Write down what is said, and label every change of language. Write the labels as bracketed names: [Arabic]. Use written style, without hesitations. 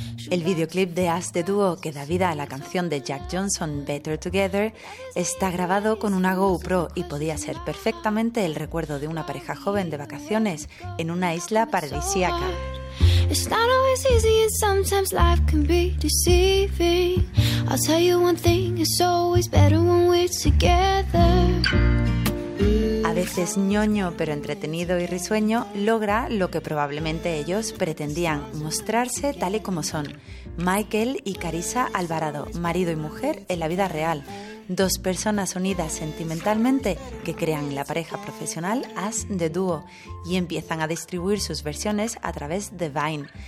[Spanish] El videoclip de As The Duo, que da vida a la canción de Jack Johnson, Better Together, está grabado con una GoPro y podía ser perfectamente el recuerdo de una pareja joven de vacaciones en una isla paradisíaca. [English] It's not always easy and sometimes life can be deceiving. I'll tell you one thing, it's always better when we're together. [Spanish] A veces ñoño, pero entretenido y risueño, logra lo que probablemente ellos pretendían, mostrarse tal y como son. Michael y Carissa Alvarado, marido y mujer en la vida real. Dos personas unidas sentimentalmente que crean la pareja profesional As The Duo y empiezan a distribuir sus versiones a través de Vine.